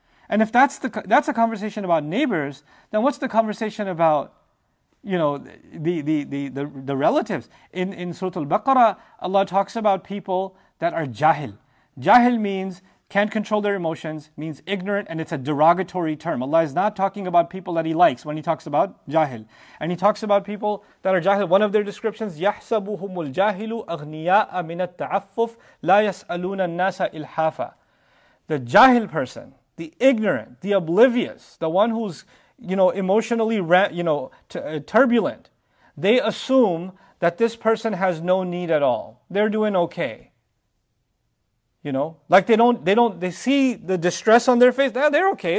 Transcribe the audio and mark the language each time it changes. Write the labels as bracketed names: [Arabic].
[English] And if that's a conversation about neighbors, then what's the conversation about, you know, the relatives? In Surah Al-Baqarah, Allah talks about people that are jahil. Jahil means can't control their emotions, means ignorant, and it's a derogatory term. Allah is not talking about people that He likes when He talks about jahil. And He talks about people that are jahil. One of their descriptions, [Arabic] يَحْسَبُهُمُ الْجَاهِلُ أَغْنِيَاءَ مِنَ التَّعَفُّفْ لَا يَسْأَلُونَ النَّاسَ إِلْحَافَ. [English] The jahil person, the ignorant, the oblivious, the one who's, you know, emotionally, you know, turbulent, they assume that this person has no need at all. They're doing okay. You know, like they see the distress on their face. Yeah, they're okay.